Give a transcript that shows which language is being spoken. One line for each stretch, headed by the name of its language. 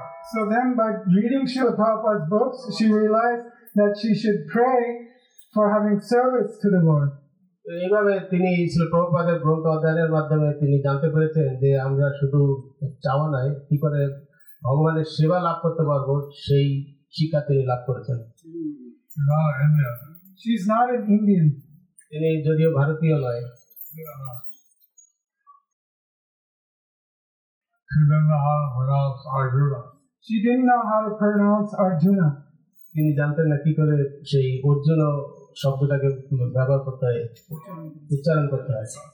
English: So then by reading Srila Prabhupada's books, she realized that she should pray for having service to the Lord.
Bangla: এইভাবে তিনি শ্রী প্রভুপাদের গ্রন্থ অধ্যয়নের মাধ্যমে তিনি জানতে পেরেছেন যে আমরা শুধু চাওয়া নাই, কি করে ভগবানের সেবা লাভ করতে পারবো সেই শিক্ষা তিনি লাভ করেছেন।
English: She is not an Indian.
Bangla: তিনি যদিও ভারতীয় নয়।
English: She didn't know how to pronounce Arjuna. She didn't know how to pronounce Arjuna.
Bangla: তিনি জানতেন না কি করে সেই অর্জুন শব্দটাকে ব্যবহার করতে হয়, উচ্চারণ করতে হয়।